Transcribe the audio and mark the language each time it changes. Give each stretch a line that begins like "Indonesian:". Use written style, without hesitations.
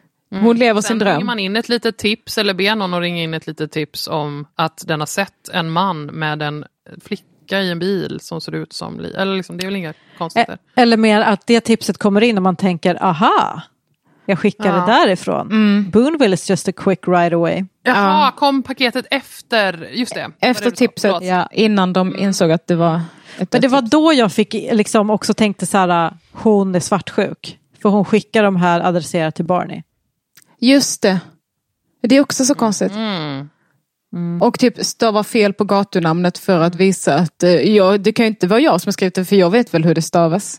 Swedish: Hon lever sen sin dröm. Ringer man in ett litet tips eller ber någon att ringa in ett litet tips om att den har sett en man med en flicka i en bil som ser ut som Li. Eller liksom, det är väl inga konstigheter. Eller mer att det tipset kommer in och man tänker, aha, jag skickar det därifrån.
English: Boonville is just a quick ride away.
Swedish: Jaha, kom paketet efter, just det. Efter tipset, ja, innan de insåg att det var ett. Men det var då jag fick liksom också tänkte så här, hon är svartsjuk. För hon skickar de här adresserat till Barney. Just det. Det är också så konstigt. Och typ stava fel på gatunamnet för att visa att det kan ju inte vara jag som har skrivit det, för jag vet väl hur det stavas.